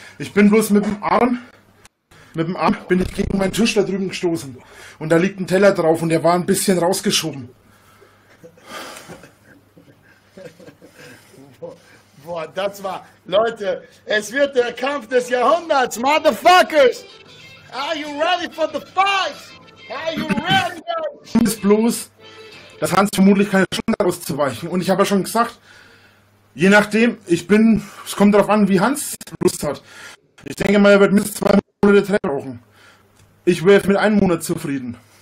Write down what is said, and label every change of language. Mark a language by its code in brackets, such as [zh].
[de] Ich bin bloß mit dem Arm bin ich gegen meinen Tisch da drüben gestoßen. Und da liegt ein Teller drauf und der war ein bisschen rausgeschoben. Boah, das war. Leute, es wird der Kampf des Jahrhunderts, Motherfuckers! [en] Are you ready for the fight? Are you ready? [de] Ist bloß, dass Hans vermutlich keine Chance hat, auszuweichen. Und ich habe ja schon gesagt, je nachdem, es kommt darauf an, wie Hans Lust hat. Ich denke mal, er wird mindestens 2 Monate Zeit brauchen. Ich wäre mit 1 Monat zufrieden.